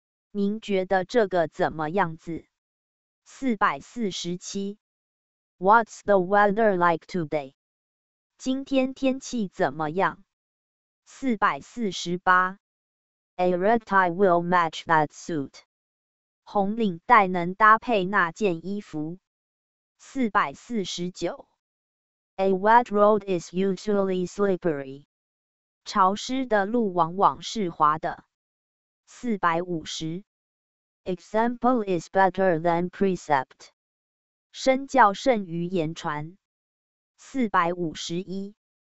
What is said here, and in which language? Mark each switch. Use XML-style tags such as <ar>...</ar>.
<zh>您觉得这个怎么样子？447</zh> <en>What's the weather like today?</en> <zh>今天天气怎么样？448</zh> <en>A red tie will match that suit.</en> <zh>红领带能搭配那件衣服。 449</zh> <en>A wet road is usually slippery.</en> <zh>潮湿的路往往是滑的。450</zh> <en>Example is better than precept.</en> <zh>身教胜于言传。451</zh>